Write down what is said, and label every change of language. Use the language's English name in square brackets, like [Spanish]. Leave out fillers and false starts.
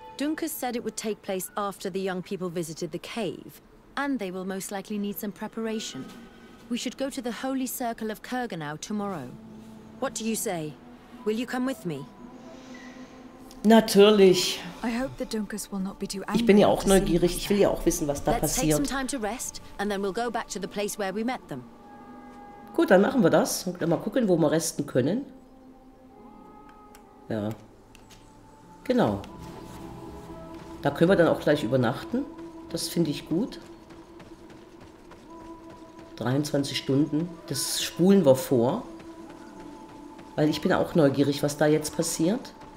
[English] Dunkus said it would take place after the young people visited the cave, and they will most likely need some preparation. We should go to the Holy Circle of Kurganau tomorrow. What do you say? Will you come with me? [German] Natürlich. [English] I hope that Dunkus will not be too angry. [German] Ich bin ja auch neugierig. Ich will ja auch wissen, was da passiert. [English] Let's take some time to rest, and then we'll go back to the place where we met them. [German] Gut, dann machen wir das. Und dann mal gucken, wo wir resten können. Ja. Genau. Da können wir dann auch gleich übernachten. Das finde ich gut. 23 Stunden. Das spulen wir vor. Weil ich bin auch neugierig, was da jetzt passiert.